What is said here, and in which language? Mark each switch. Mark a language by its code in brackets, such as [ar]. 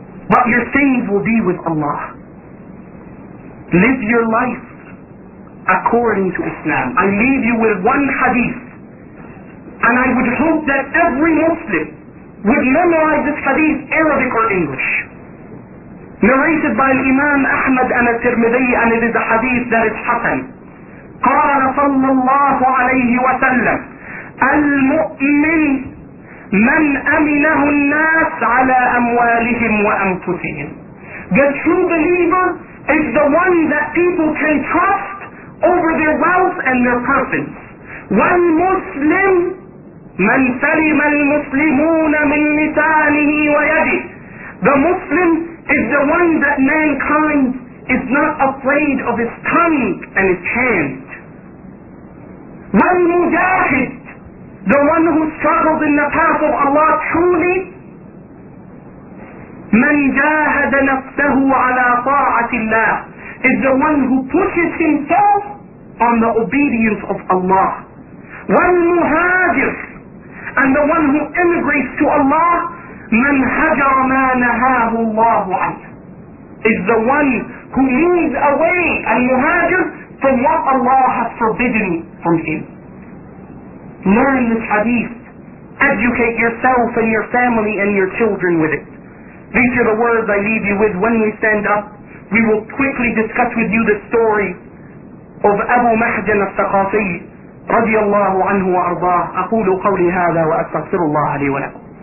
[en] But your sins will be with Allah. Live your life according to Islam. I leave you with one hadith. And I would hope that every Muslim would memorize this hadith, Arabic or English. Narrated by Imam Ahmad and al-Tirmidhi, and it is a hadith that is hasan. [ar] قال صلى الله عليه وسلم المؤمن من أمنه الناس على أموالهم وأنفسهم. [en] The true believer is the one that people can trust over their wealth and their persons. [ar] والمسلم من سلم المسلمون من لسانه ويده. [en] The Muslim is the one that mankind is not afraid of his tongue and his hand. والمجاهد, the one who struggles in the path of Allah truly. من جاهد نفسه على طاعة الله, is the one who pushes himself on the obedience of Allah. والمهاجر, and the one who immigrates to Allah. من هجر ما نهاه الله عنه, is the one who moves away and muhajir from what Allah has forbidden from him. Learn this hadith. Educate yourself and your family and your children with it. These are the words I leave you with. When we stand up, we will quickly discuss with you the story of Abu Mahjan al-Thaqafi رضي الله عنه وأرضاه. [ar] أقول قولي هذا وأستغفر الله لي ولكم.